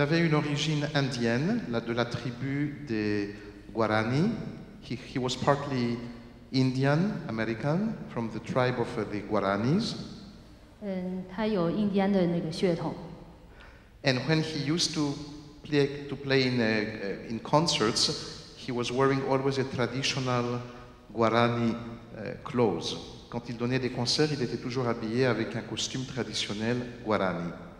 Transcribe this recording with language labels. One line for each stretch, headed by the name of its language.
French: avait une origine indienne, la de la tribu des Guarani.
English: He was partly Indian American from the tribe of the Guaranis.
Chinese: 他有印第安的那个血统。
English: And when he used to play in concerts, he was wearing always a traditional Guarani clothes.
French: Quand il donnait des concerts, il était toujours habillé avec un costume traditionnel Guarani.